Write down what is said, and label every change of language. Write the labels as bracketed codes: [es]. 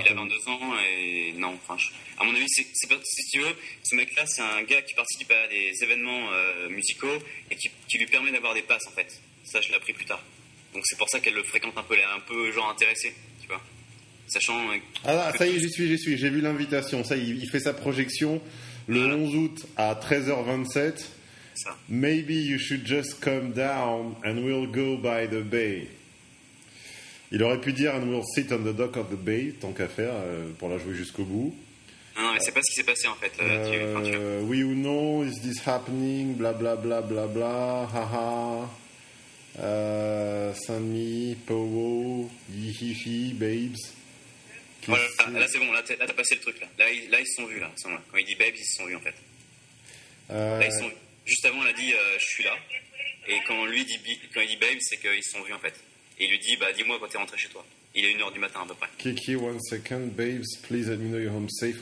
[fr] il a 22 ans et non, franchement. À mon avis, c'est, si tu veux, ce mec-là, c'est un gars qui participe à des événements musicaux et qui lui permet d'avoir des passes, en fait. Ça, je l'ai appris plus tard. Donc, c'est pour ça qu'elle le fréquente un peu, elle est un peu genre intéressée, tu vois. Sachant. Ah, là, ça y est, j'y suis, j'ai vu l'invitation. Ça y est, il fait sa projection le 11 août à 13h27. Ça. [en] Maybe you should just come down and we'll go by the bay. [fr] Il aurait pu dire [en] and we'll sit on the dock of the bay, [fr] tant qu'à faire, pour la jouer jusqu'au bout. Non, mais c'est pas ce qui s'est passé en fait. Oui ou non, [en] is this happening? Bla bla bla bla bla, haha. Send me, Powo, yihihi, babes. [fr] Voilà, là c'est bon, là t'as passé le truc. Là ils se sont vus, là. Quand il dit babes, ils se sont vus en fait. Là ils se sont vus. Juste avant, il a dit je suis là. Et quand il dit babes, c'est qu'ils se sont vus en fait. Et il lui dit, dis-moi quand t'es rentré chez toi. Il est 1h du matin à peu près. [en] Kiki, one second, babes, please let me know you're home safe.